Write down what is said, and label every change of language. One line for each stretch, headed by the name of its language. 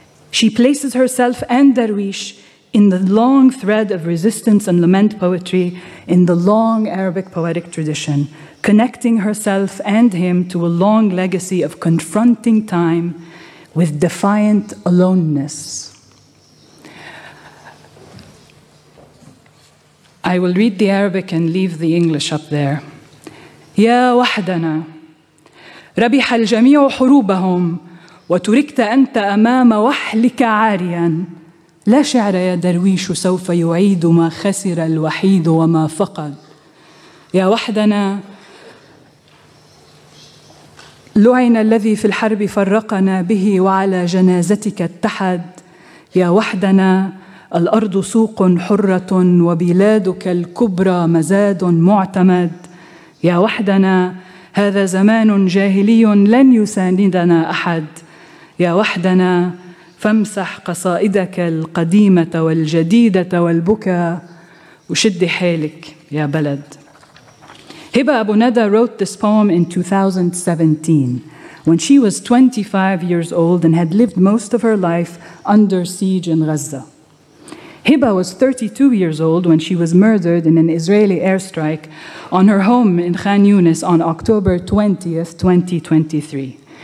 English: She places herself and Darwish in the long thread of resistance and lament poetry in the long Arabic poetic tradition, connecting herself and him to a long legacy of confronting time with defiant aloneness. I will read the Arabic and leave the English up there.
Arabic: يا وحدنا ربح الجميع حروبهم وتركت أنت أمام وحلك عاريا لا شعر يا درويش سوف يعيد ما خسر الوحيد وما فقد يا وحدنا لعن الذي في الحرب فرقنا به وعلى جنازتك اتحد يا وحدنا الأرض سوق حرة وبلادك الكبرى مزاد معتمد يا وحدنا هذا زمان جاهلي لن يساندنا أحد يا وحدنا فامسح قصائدك القديمة والجديدة والبكا وشد حالك يا بلد.
English: Hiba Abu Neda wrote this poem in 2017 when she was 25 years old and had lived most of her life under siege in Gaza. Hiba was 32 years old when she was murdered in an Israeli airstrike on her home in Khan Yunis on October 20th, 2023.